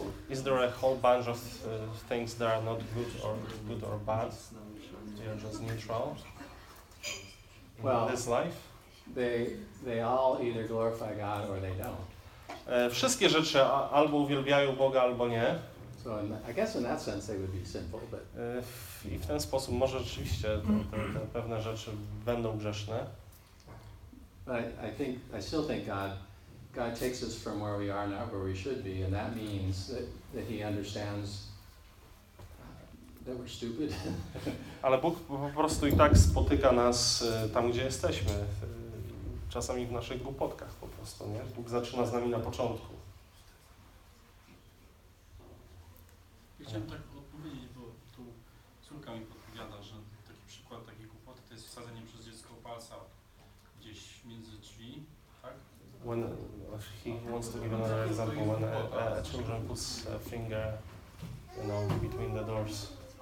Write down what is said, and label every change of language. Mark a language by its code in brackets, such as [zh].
[en] Is there a whole bunch of things that are not good or bad? They are just neutral. Well, this life, they all either glorify God or they don't. [pl] Wszystkie rzeczy albo uwielbiają Boga, albo nie. [en] So I guess in that sense they would be sinful, but [pl] w ten sposób może rzeczywiście te pewne rzeczy będą grzeszne. [en] But I still think God takes us from where we are, not where we should be, and that means that he understands that we're stupid. [pl] Ale Bóg po prostu i tak spotyka nas tam, gdzie jesteśmy. Czasami w naszych głupotkach po prostu, nie? Bóg zaczyna z nami na początku. Chciałem tak odpowiedzieć, bo tu córka mi podpowiada, że taki przykład takiej głupoty to jest wsadzenie przez dziecko palca gdzieś między drzwi, tak? [en] When he wants to give another example, when a children puts a finger, you know, between the doors.